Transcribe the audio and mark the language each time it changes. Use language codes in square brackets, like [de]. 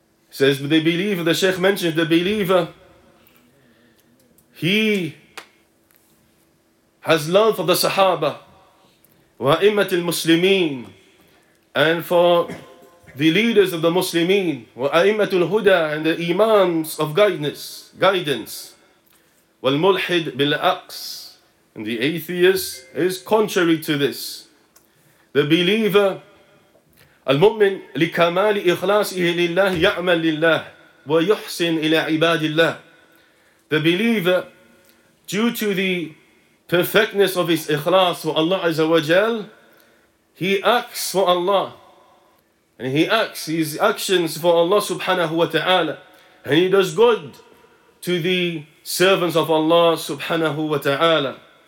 [en] Says the believer, the Shaykh mentioned the believer, he has love for the Sahaba, [ar] وَأِمَّةِ [en] Muslimin, and for the leaders of the Muslimin, [ar] وَأَئِمَّةُ الْهُدَى, [en] and the Imams of guidance. [ar] وَالْمُلْحِدْ بِالْأَقْسِ, [en] and the atheist is contrary to this. The believer, [ar] المؤمن لكمال إخلاصه لله يعمل لله ويحسن إلى عباد الله. [en] The believer, due to the perfectness of his ikhlas for Allah Azza wa Jal, he acts for Allah. And he acts his actions for Allah subhanahu wa ta'ala. And he does good to the servants of Allah subhanahu wa ta'ala.